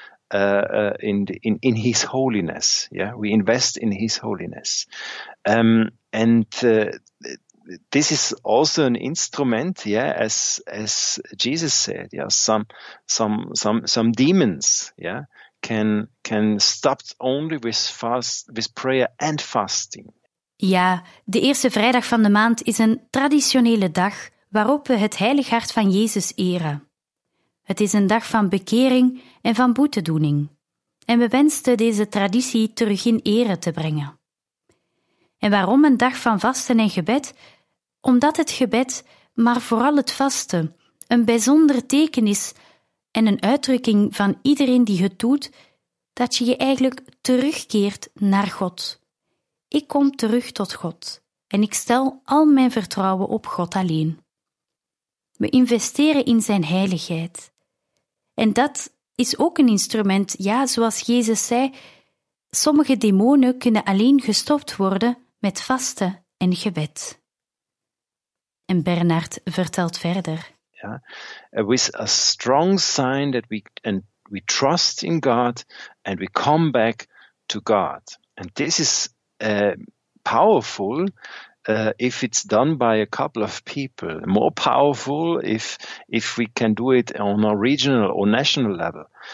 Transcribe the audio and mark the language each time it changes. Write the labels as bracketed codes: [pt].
[en] We invest in His holiness. Yeah, we invest in His holiness, and this is also an instrument. Yeah, as Jesus said. Yeah, some demons. Yeah, can stop only with prayer and fasting. [nl] Ja, de eerste vrijdag van de maand is een traditionele dag waarop we het Heilig Hart van Jezus eren. Het is een dag van bekering en van boetedoening. En we wensten deze traditie terug in ere te brengen. En waarom een dag van vasten en gebed? Omdat het gebed, maar vooral het vasten, een bijzonder teken is en een uitdrukking van iedereen die het doet, dat je je eigenlijk terugkeert naar God. Ik kom terug tot God en ik stel al mijn vertrouwen op God alleen. We investeren in zijn heiligheid. En dat is ook een instrument, ja, zoals Jezus zei, sommige demonen kunnen alleen gestopt worden met vasten en gebed. En Bernard vertelt verder. [en] Ja, with a strong sign that we trust in God and we come back to God. And this is powerful. If it's done by a couple of people, more powerful if we can do it on a regional or national level.